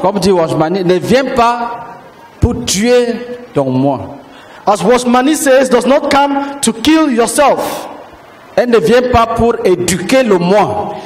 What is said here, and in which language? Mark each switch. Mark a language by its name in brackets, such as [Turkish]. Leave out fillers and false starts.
[French] comme dit Washmani, ne vient pas pour tuer ton moi. [English] As Washmani says, does not come to kill yourself. [French] Elle ne vient pas pour éduquer le moi.